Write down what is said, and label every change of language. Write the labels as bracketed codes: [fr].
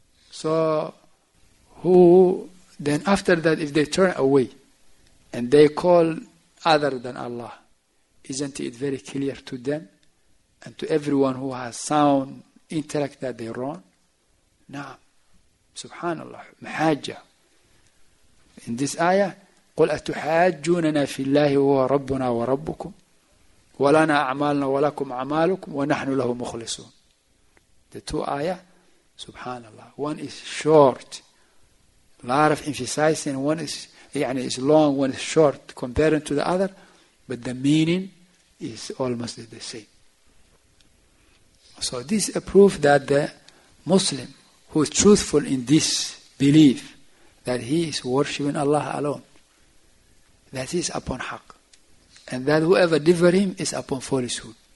[en] So, who then after that, if they turn away and they call other than Allah, isn't it very clear to them and to everyone who has sound intellect that they run? Naam. Subhanallah. Mahajjah. In this ayah, [ar] قُلْ أَتُحَاجُّونَنَا فِي اللَّهِ وَهُوَ رَبُّنَا وَرَبُّكُمْ وَلَنَا أَعْمَالُنَا وَلَكُمْ أَعْمَالُكُمْ وَنَحْنُ لَهُ مُخْلِصُونَ. [en] The two ayah, subhanallah. One is short, a lot of emphasizing. One is, يعني, is long, one is short, comparing to the other. But the meaning is almost the same. So this is a proof that the Muslim who is truthful in this belief that he is worshiping Allah alone, that he is upon haq, and that whoever differ him is upon falsehood.